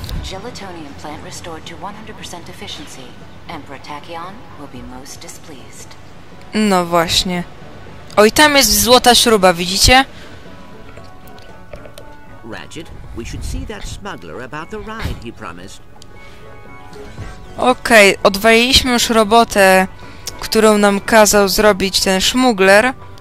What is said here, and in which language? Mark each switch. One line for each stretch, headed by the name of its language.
English: Gelatonium plant restored to 100% efficiency. Emperor Tachyon will be most displeased.
Polish: No właśnie. Oj, tam jest złota śruba, widzicie?
English: Ratchet, we should see that smuggler about the ride he promised.
Polish: Okej, odwaliliśmy już robotę, którą nam kazał zrobić ten szmugler.